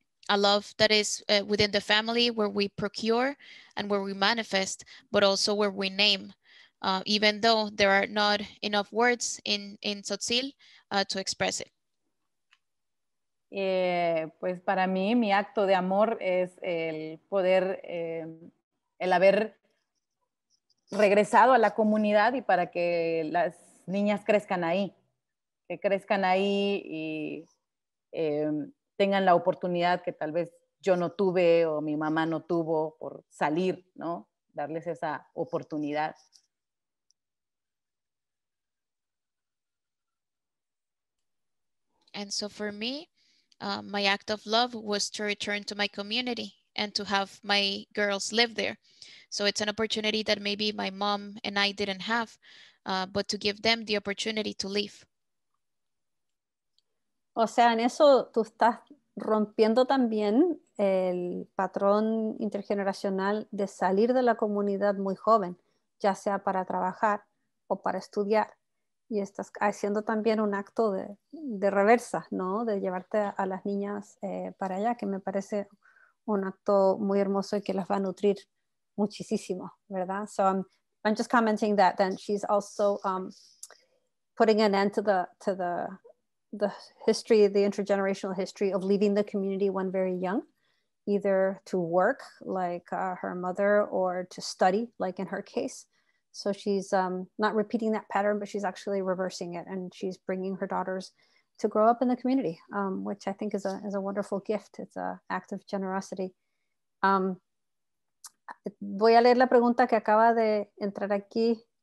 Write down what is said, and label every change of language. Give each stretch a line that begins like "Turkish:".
English: A love that is within the family where we procure and where we manifest, but also where we name. Even though there are not enough words in Tzotzil to express it.
Spanish: Pues para mí, mi acto de amor es el poder, el haber regresado a la comunidad y para que las niñas crezcan ahí, que crezcan ahí y tengan la oportunidad que tal vez yo no tuve o mi mamá no tuvo por salir, ¿no? Darles esa oportunidad.
English: And so for me, my act of love was to return to my community and to have my girls live there. So it's an opportunity that maybe my mom and I didn't have, but to give them the opportunity to leave.
Spanish: O sea, en eso tú estás rompiendo también el patrón intergeneracional de salir de la comunidad muy joven, ya sea para trabajar o para estudiar. Y estás haciendo también un acto de reversa, ¿no? De llevarte a las niñas para allá, que me parece un acto muy hermoso y que las va a nutrir muchísimo, ¿verdad?
English: So I'm just commenting that then she's also putting an end to the history, the intergenerational history of leaving the community when very young, either to work like her mother or to study like in her case. So she's not repeating that pattern, but she's actually reversing it. And she's bringing her daughters to grow up in the community, which I think is a wonderful gift. It's an act of generosity.
Spanish: Voy a leer la pregunta que acaba de entrar aquí.